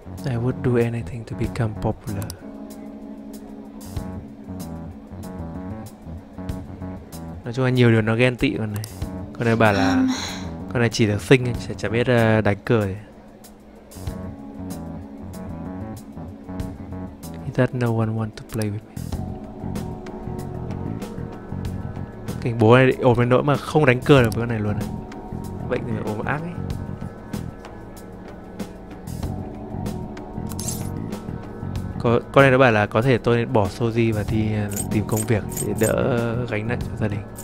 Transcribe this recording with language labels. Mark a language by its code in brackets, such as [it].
[en] I would do anything to become popular. [vi] Nói chung là nhiều điều nó ghen tị con này. Con này bảo là con này chỉ được sinh chả, chả biết đánh cờ. [en] Is that no one want to play with me? [vi] Cái bố này ốm đến nỗi mà không đánh cờ được với con này luôn. Bệnh thì ốm ác ấy. Con này nó bảo là có thể tôi nên bỏ Soji và đi tìm công việc để đỡ gánh nặng cho gia đình.